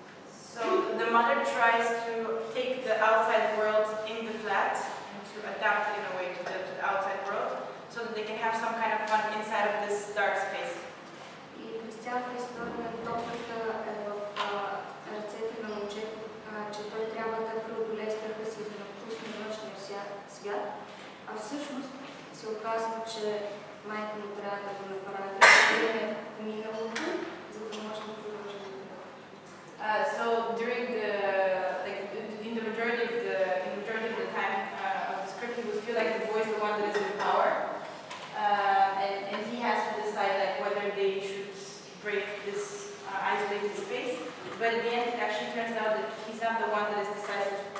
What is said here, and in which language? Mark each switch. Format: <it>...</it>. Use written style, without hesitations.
<en>So the mother tries to take the outside world in the flat and to adapt in a way to the outside world so that they can have some kind of fun inside of this dark space.</en> <bg>И през цялата история топката е в ръцете на момчето, че той трябва да преодолее страха си да напусне външния свят, а всъщност се оказва, че майка му трябва да го направи в миналото, за да може да продължи.</bg> <en>So during the in the majority of the time of the script, he was feel like the boy is the one that is in power, and he has to decide like whether they should break this isolated space. But in the end, it actually turns out that he's not the one that is decisive.</en>